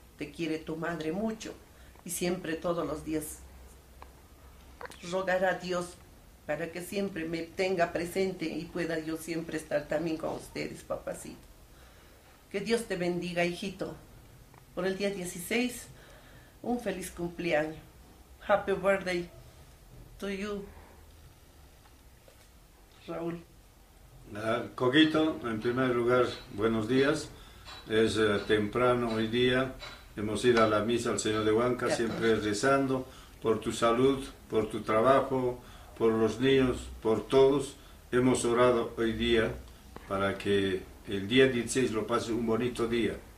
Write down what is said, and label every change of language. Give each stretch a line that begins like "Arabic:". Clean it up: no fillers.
Spanish: Te quiere tu madre mucho. Y siempre, todos los días, rogará a Dios para que siempre me tenga presente y pueda yo siempre estar también con ustedes, papacito. Que Dios te bendiga, hijito. Por el día 16, un feliz cumpleaños.
English: Happy birthday to you, Raúl.
Spanish: Coquito, en primer lugar, buenos días. Es temprano hoy día. Hemos ido a la misa al Señor de Huanca, siempre 14. rezando por tu salud, por tu trabajo, por los niños, por todos. Hemos orado hoy día para que el día 16 lo pase un bonito día.